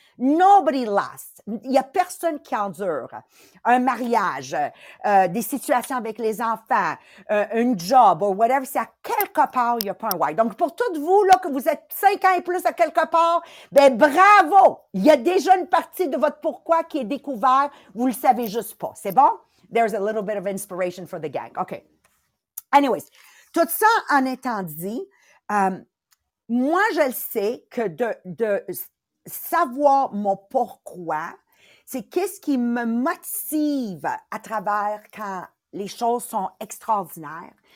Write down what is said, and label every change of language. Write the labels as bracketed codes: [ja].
[en] Nobody lasts. [fr] Il n'y a personne qui endure. Un mariage, des situations avec les enfants, un job ou whatever, c'est à quelque part, il n'y a pas un why. Donc, pour toutes vous, là, que vous êtes 5 ans et plus à quelque part, ben bravo! Il y a déjà une partie de votre pourquoi qui est découvert. Vous le savez juste pas. C'est bon? [en] There's a little bit of inspiration for the gang. OK. [fr] Anyways, tout ça en étant dit, moi, je le sais que de savoir mon pourquoi, c'est qu'est-ce qui me motive à travers quand les choses sont extraordinaires.